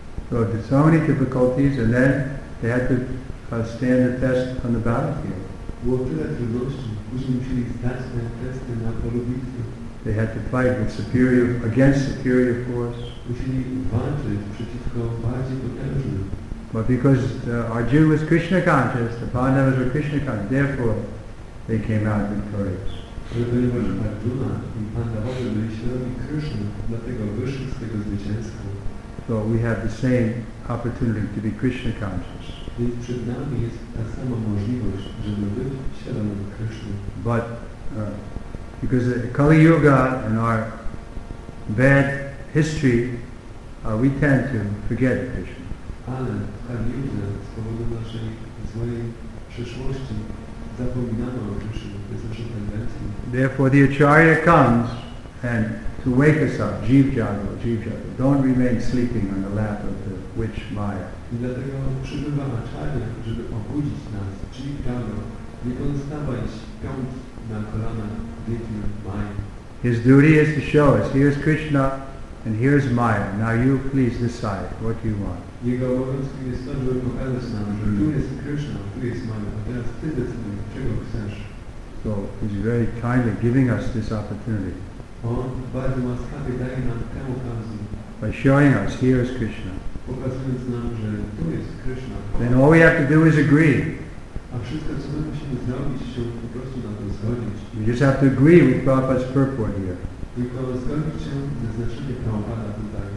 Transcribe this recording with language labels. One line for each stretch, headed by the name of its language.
English: So there's so many difficulties, and then they had to stand the test on the battlefield.
Polish: Było tyle trudności, później musieli zdać te testy na polu bitwy.
English: They had to fight with superior, against superior force.
Polish: Musieli walczyć przeciwko bardziej potężnym.
English: But because Arjuna was Krishna conscious, the Pandavas were Krishna conscious, therefore they came out victorious.
Polish: Ale ponieważ Arjuna i Pandavas byli świadomi Krishna, dlatego wyszli z tego zwycięstwa.
English: So we have the same opportunity to be Krishna conscious.
Polish: Więc przed nami jest ta sama możliwość, żeby być świadomym Krishna.
English: But because Kali Yuga and our bad history, we tend to forget Krishna.
Polish: Ale Kali Yuga z powodu naszej złej przeszłości zapominamy o Krishna. To jest nasza tendencja.
English: Therefore the Acharya comes and to wake us up, Jeev Jagra, don't remain sleeping on the lap of the witch Maya.
Polish: I dlatego przybywa na czarnie, żeby obudzić nas, Jeev Jagra, nie pozostawaj śpiąc na kolanach wietrzy Maya.
English: His duty is to show us, here's Krishna and here's Maya, now you please decide what you want.
Polish: Jego obowiązkiem jest to, żeby pokazać nam, że tu jest Krishna, tu jest Maya, a teraz ty decydujesz, czego chcesz.
English: So he's very kindly giving us this opportunity.
Polish: On bardzo łaskawie daje nam tę okazję.
English: By showing us, here is Krishna.
Polish: Pokazując nam, że tu jest Krishna.
English: Then all we have to do is agree.
Polish: A wszystko, co my musimy zrobić, się po prostu na to zgodzić.
English: We just have to agree with Prabhupada's purport here.
Polish: Tylko zgodzić się ze znaczeniem Prabhupada tutaj.